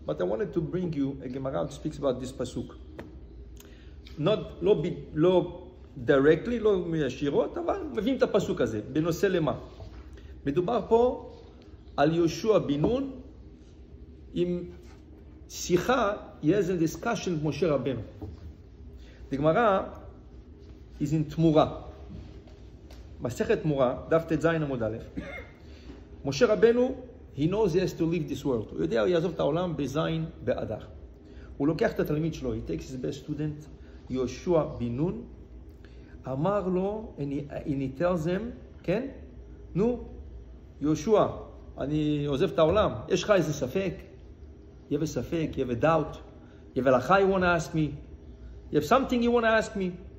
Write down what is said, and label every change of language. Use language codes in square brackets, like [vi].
[en] But I wanted to bring you, a Gemara speaks about this pasuk. [he] לא directly, לא מישירות, אבל מביאים את הפסוק הזה, בנושא למה. מדובר פה על יהושע בן נון, עם שיחה, יש איזה דיסקשן עם משה רבנו. הגמרא היא עם תמורה. מסכת תמורה, דף ט"ז עמוד א', משה רבנו, [en] he knows he has to leave this world. [he] הוא יודע, הוא יעזוב את העולם בזין באדר. הוא לוקח את התלמיד שלו, [en] he takes his best student, [he] יהושע בן נון, אמר לו, [en] and he tells him, [he] כן? נו, יהושע, אני עוזב את העולם, יש לך איזה ספק? [en] You have a safek, you have a doubt. You have a lachai you want to ask me. You have something you want to ask me.